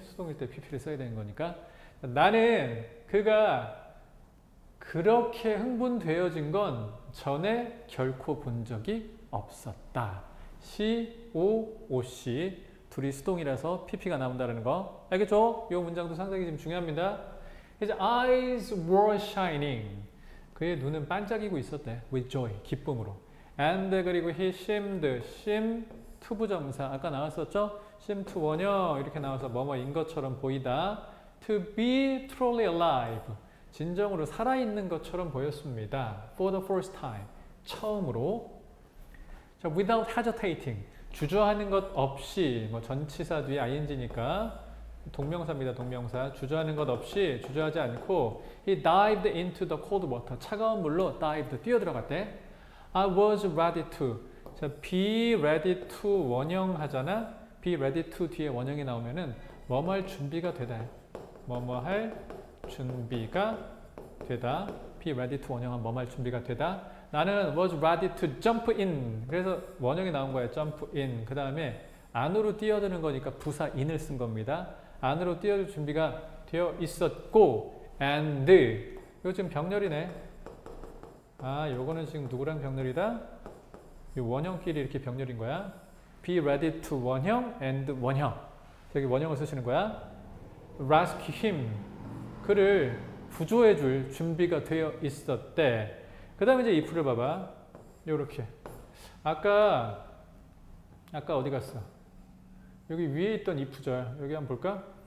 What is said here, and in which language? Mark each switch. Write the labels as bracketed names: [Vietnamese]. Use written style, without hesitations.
[Korean] 수동일 때 PP를 써야 되는 거니까. 나는 그가 그렇게 흥분되어진 건 전에 결코 본 적이 없었다. C, O, O, C. 둘이 수동이라서 PP가 나온다는 거. 알겠죠? 이 문장도 상당히 지금 중요합니다. [English] His eyes were shining. [Korean] 그의 눈은 반짝이고 있었대. [English] With joy. [Korean] 기쁨으로. [English] And [Korean] 그리고 [English] he seemed, [Korean] 투부정사. 아까 나왔었죠? [English] seem to [Korean] 원형. 이렇게 나와서 뭐뭐인 것처럼 보이다. [English] To be truly alive. [Korean] 진정으로 살아있는 것처럼 보였습니다. [English] For the first time. [Korean] 처음으로. 자, [English] without hesitating. [Korean] 주저하는 것 없이. 뭐 전치사 뒤에 ing니까. 동명사입니다, 동명사. 주저하는 것 없이, 주저하지 않고. [English] He dived into the cold water. [Korean] 차가운 물로 [English] dived, [Korean] 뛰어들어갔대. [English] I was ready to. [Korean] 자, [English] be ready to [Korean] 원형 하잖아. be ready to 뒤에 원형이 나오면은 뭐뭐 할 준비가 되다. 뭐뭐 할 준비가 되다. [English] be ready to [Korean] 원형은 뭐뭐 할 준비가 되다. 나는 [English] was ready to jump in. [Korean] 그래서 원형이 나온 거야. [English] jump in. [Korean] 그 다음에 안으로 뛰어드는 거니까 부사 in을 쓴 겁니다. 안으로 뛰어들 준비가 되어 있었고. and 이거 지금 병렬이네. 아, 요거는 지금 누구랑 병렬이다? 이 원형끼리 이렇게 병렬인 거야. [English] be ready to [Korean] 원형 and 원형. 여기 원형을 쓰시는 거야. [English] rescue him. [Korean] 그를 구조해 줄 준비가 되어 있었대. 그다음에 이제 if를 봐봐. 요렇게. 아까 어디 갔어? 여기 위에 있던 if절. 여기 한번 볼까?